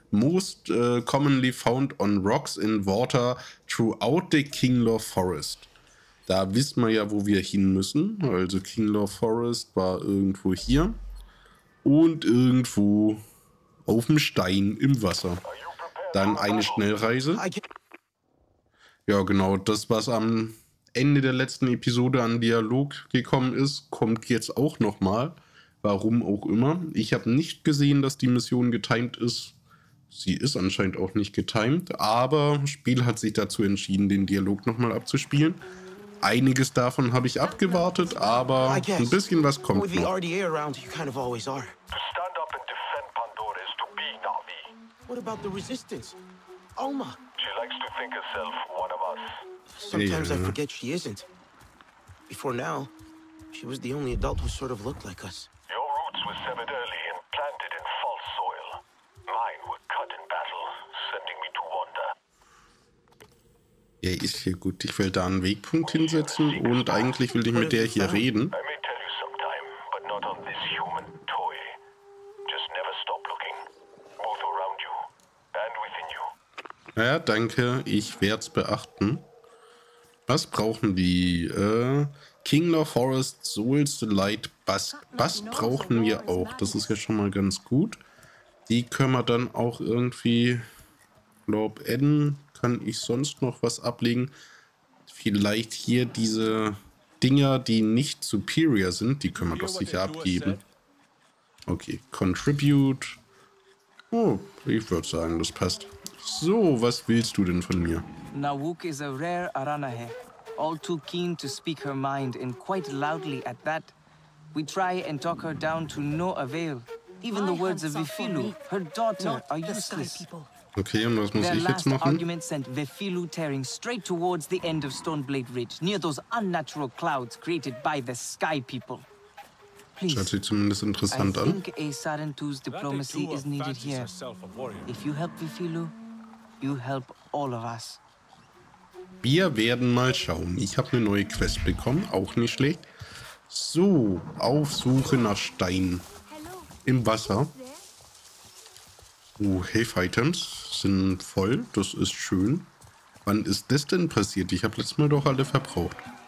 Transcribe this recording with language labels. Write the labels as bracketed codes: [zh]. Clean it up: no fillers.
[en] Most commonly found on rocks in water throughout the Kinglaw Forest. [de] Da wissen wir ja, wo wir hin müssen. Also Kinglaw Forest war irgendwo hier. Und irgendwo auf dem Stein im Wasser. Dann eine Schnellreise. Ja, genau, das, was am Ende der letzten Episode an Dialog gekommen ist, kommt jetzt auch nochmal. Warum auch immer. Ich habe nicht gesehen, dass die Mission getimed ist. Sie ist anscheinend auch nicht getimed, aber das Spiel hat sich dazu entschieden, den Dialog nochmal abzuspielen. Einiges davon habe ich abgewartet, aber ein bisschen was kommt noch. [en] Stand up and defend Pandora is to be, Navi. What about the resistance? Alma. She likes to think herself one of us. Sometimes yeah. I forget she isn't. Before now, she was the only adult who sort of looked like us. Your roots were severed early and planted in false soil. Mine were cut in battle, sending me to wander. [de] Ja, ist hier gut. Ich will da einen Wegpunkt hinsetzen und eigentlich will ich mit der hier reden. [en] I may tell you sometime, but not on this human toy. Just never stop looking. Both around you and within you. [de] Ja, danke. Ich werd's beachten. Was brauchen die? Kinglaw Forest, Soul's Delight, Bast. Bast brauchen wir auch. Das ist ja schon mal ganz gut. Die können wir dann auch irgendwie... Glaub, Eden. Kann ich sonst noch was ablegen? Vielleicht hier diese Dinger, die nicht superior sind. Die können wir doch sicher abgeben. Okay, Contribute. Oh, ich würde sagen, das passt. So, was willst du denn von mir? [en] Nawuk is a rare Aranahe, all too keen to speak her mind, and quite loudly at that. We try and talk her down to no avail. Even the words of Vifilu, her daughter, are useless. [de] Okay, und was muss ich jetzt machen? [en] Their last argument sent Vifilu tearing straight towards the end of Stoneblade Ridge, near those unnatural clouds created by the Sky People. [de] Schaut sich zumindest interessant an. [en] I think Asarantu's diplomacy is needed here. If you help Vifilu, you help all of us. [de] Wir werden mal schauen. Ich habe eine neue Quest bekommen, auch nicht schlecht. So, auf Suche nach Steinen. Im Wasser. Oh, Health-Items sind voll, das ist schön. Wann ist das denn passiert? Ich habe letztes Mal doch alle verbraucht.